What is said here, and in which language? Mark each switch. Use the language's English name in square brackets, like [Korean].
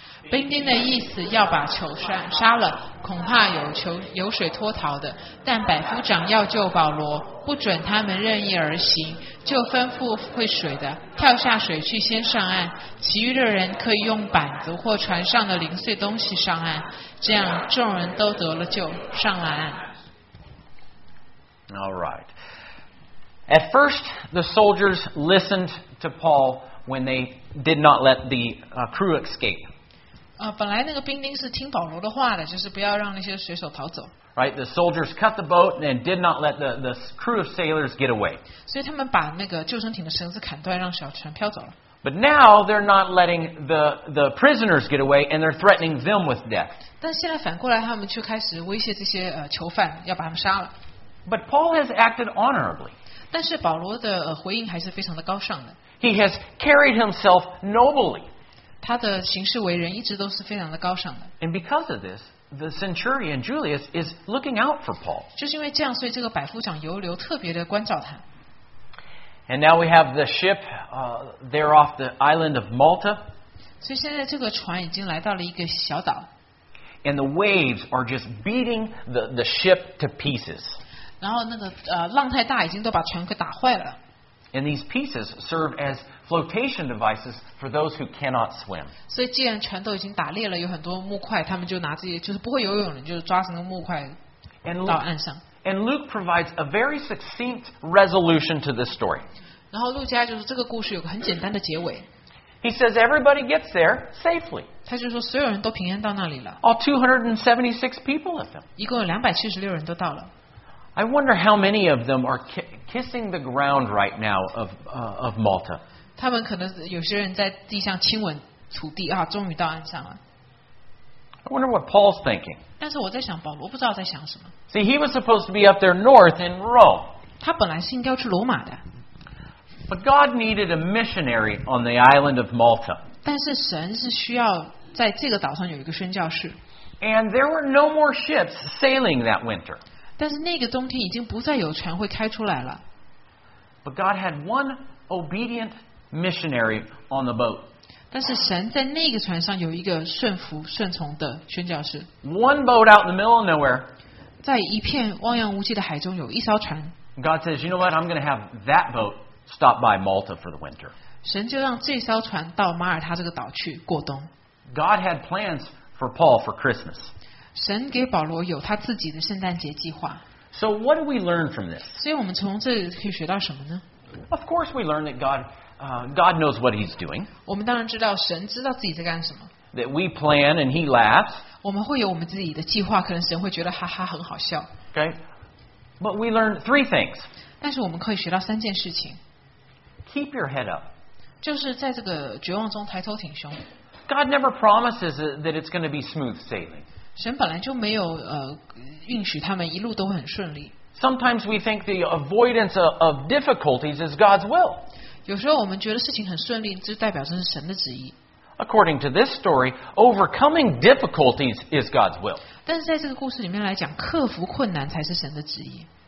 [Chinese] 兵丁的意思要把囚犯杀了，恐怕有水脱逃的，但百夫长要救保罗，不准他们任意而行，就吩咐会水的跳下水去先上岸，其余的人可以用板子或船上的零碎东西上岸，这样众人都得了救，上了岸。 [English] All right. At first, the soldiers listened to Paul when they did not let the crew escape. [Chinese] 本来那个兵丁是听保罗的话的，就是不要让那些水手逃走。 [English] Right, the soldiers cut the boat and did not let the crew of sailors get away. [Chinese] 所以他们把那个救生艇的绳子砍断，让小船飘走了。 [English] But now they're not letting the prisoners get away, and they're threatening them with death. [Chinese] 但现在反过来，他们却开始威胁这些囚犯，要把他们杀了。 [English] But Paul has acted honorably. [Chinese] 但是保罗的回应还是非常的高尚的。 [English] He has carried himself nobly. [Chinese] 他的行事为人一直都是非常的高尚的。 [English] And because of this, the centurion Julius is looking out for Paul. [Chinese] 就是因为这样，所以这个百夫长犹留特别的关照他。 [English] And now we have the ship there off the island of Malta. [Chinese] 所以现在这个船已经来到了一个小岛。 [English] And the waves are just beating the ship to pieces. [Chinese] 然后那个浪太大，已经都把船给打坏了。 [English] And these pieces serve as flotation devices for those who cannot swim. [Chinese] 所以既然船都已经打裂了，有很多木块，他们就拿这些，就是不会游泳的，就是抓着那个木块到岸上。 [English] And Luke provides a very succinct resolution to this story. [Chinese] 然后路加就是这个故事有个很简单的结尾。 [English] He says everybody gets there safely. [Chinese] 他就说所有人都平安到那里了。 [English] All 276 people of them. [Chinese] 一共有276人都到了。 [English] I wonder how many of them are kissing the ground right now of Malta. [Chinese] 他们可能有些人在地上亲吻土地啊，终于到岸上了。 [English] I wonder what Paul's thinking. [Chinese] 但是我在想保罗不知道在想什么。 [English] See, he was supposed to be up there north in Rome. [Chinese] 他本来是应该要去罗马的。 [English] But God needed a missionary on the island of Malta. [Chinese] 但是神是需要在这个岛上有一个宣教士。 [English] And there were no more ships sailing that winter. [Chinese] 但是那个冬天已经不再有船会开出来了。 [English] But God had one obedient missionary on the boat. [Chinese] 但是神在那个船上有一个顺服顺从的宣教士。 [English] One boat out in the middle of nowhere. [Chinese] 在一片汪洋无际的海中有一艘船。 [English] God says, you know what? I'm going to have that boat stop by Malta for the winter. [Chinese] 神就让这艘船到马耳他这个岛去过冬。 [English] God had plans for Paul for Christmas. [Chinese] 神给保罗有他自己的圣诞节计划。 [English] So what do we learn from this? [Chinese] 所以我们从这可以学到什么呢？ [English] Of course we learn that God knows what he's doing. [Chinese] 我们当然知道神知道自己在干什么。 [English] That we plan and he laughs. [Chinese] 我们会有我们自己的计划，可能神会觉得哈哈很好笑。 [English] Okay. But we learn three things. [Chinese] 但是我们可以学到三件事情。 [English] Keep your head up. [Chinese] 就是在这个绝望中抬头挺胸。 [English] God never promises that it's going to be smooth sailing. [Chinese] 神本来就没有允许他们一路都很顺利。 [English] Sometimes we think the avoidance of difficulties is God's will. [Chinese] 有时候我们觉得事情很顺利，这代表这是神的旨意。 [English] According to this story, overcoming difficulties is God's will. [Chinese] 但是在这个故事里面来讲，克服困难才是神的旨意。